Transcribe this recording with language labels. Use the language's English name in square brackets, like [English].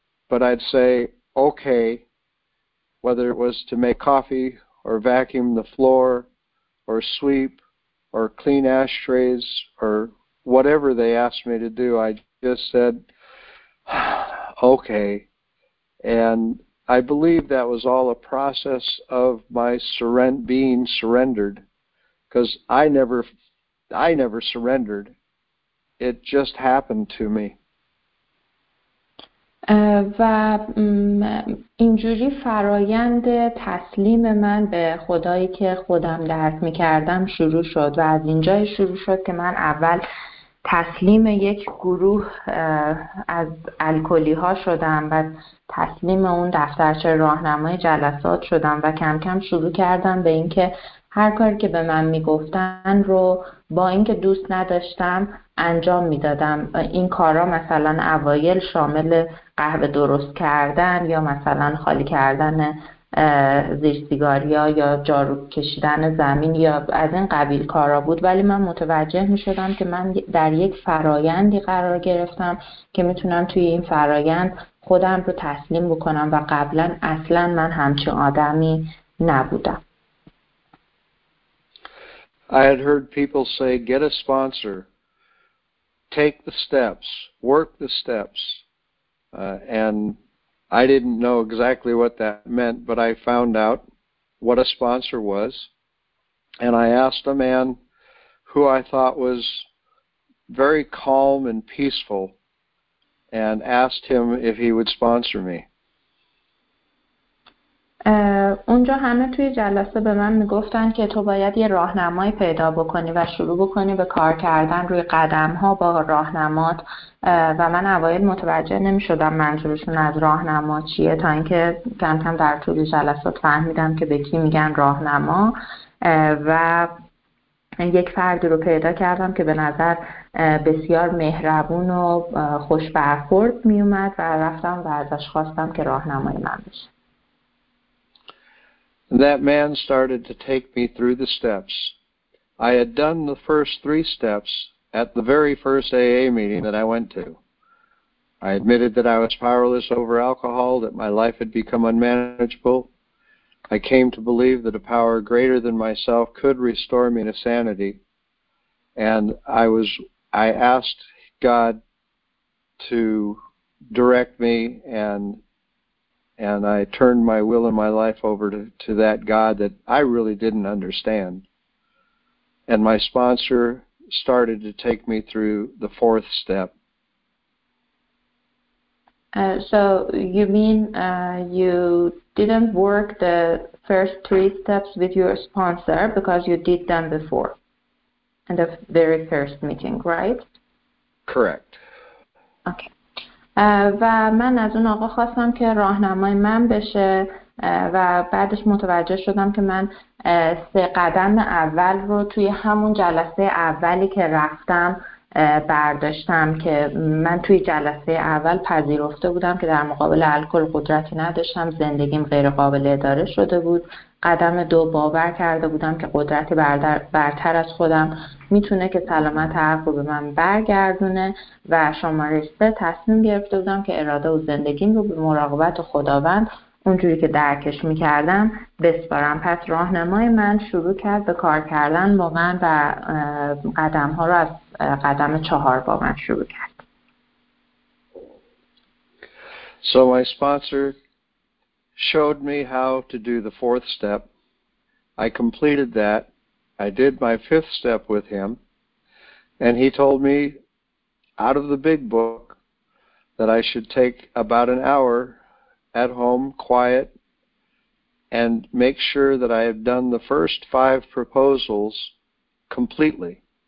[English] But I'd say, okay, whether it was to make coffee or vacuum the floor or sweep or clean ashtrays or whatever they asked me to do, I just said, okay. And I believe that was all a process of my being surrendered, because I never surrendered. It just happened to me. [Persian] و اینجوری فرایند تسلیم من به خدایی که خودم درک می‌کردم شروع شد و از اینجا شروع شد که من اول تسلیم یک گروه از الکلی‌ها شدم و تسلیم اون دفترچه راهنمای جلسات شدم و کم کم شروع کردم به اینکه هر کاری که به من میگفتن رو با اینکه دوست نداشتم انجام میدادم. این کارا مثلا اوایل شامل قهوه درست کردن یا مثلا خالی کردن زیر سیگاری ها یا جارو کشیدن زمین یا از این قبیل کارا بود، ولی من متوجه میشدم که من در یک فرایندی قرار گرفتم که میتونم توی این فرایند خودم رو تسلیم بکنم و قبلا اصلا من همچین آدمی نبودم. [English] I had heard people say, get a sponsor, take the steps, work the steps, And I didn't know exactly what that meant, but I found out what a sponsor was. And I asked a man who I thought was very calm and peaceful and asked him if he would sponsor me. [Persian] اونجا همه توی جلسه به من میگفتن که تو باید یه راهنمای پیدا بکنی و شروع بکنی به کار کردن روی قدم‌ها با راهنمات و من اوایل متوجه نمی‌شدم منظورشون از راهنما چیه تا اینکه کم کم در طول جلسات فهمیدم که به کی میگن راهنما و یک فردی رو پیدا کردم که به نظر بسیار مهربون و خوش برخورد میومد و رفتم و ازش خواستم که راهنمای من بشه. [English] And that man started to take me through the steps. I had done the first three steps at the very first AA meeting that I went to. I admitted that I was powerless over alcohol, that my life had become unmanageable. I came to believe that a power greater than myself could restore me to sanity. And I asked God to direct me and I turned my will and my life over to that God that I really didn't understand. And my sponsor started to take me through the fourth step. So you mean you didn't work the first three steps with your sponsor because you did them before, in the very first meeting, right? Correct. Okay. [Persian] و من از اون آقا خواستم که راهنمای من بشه و بعدش متوجه شدم که من سه قدم اول رو توی همون جلسه اولی که رفتم برداشتم که من توی جلسه اول پذیرفته بودم که در مقابل الکل قدرتی نداشتم، زندگیم غیر قابل اداره شده بود. قدم دو باور کرده بودم که قدرتی برتر از خودم میتونه که سلامت عقل رو به من برگردونه و شماره سه تصمیم گرفته بودم که اراده و زندگیم رو به مراقبت خداوند اونجوری که درکش میکردم بسپارم. پس راهنمای من شروع کرد به کار کردن با من و قدم ها رو از قدم چهار با من شروع کرد. [English] So my sponsor showed me how to do the fourth step. I completed that. I did my fifth step with him, and he told me out of the big book that I should take about an hour at home, quiet, and make sure that I have done the first five proposals completely.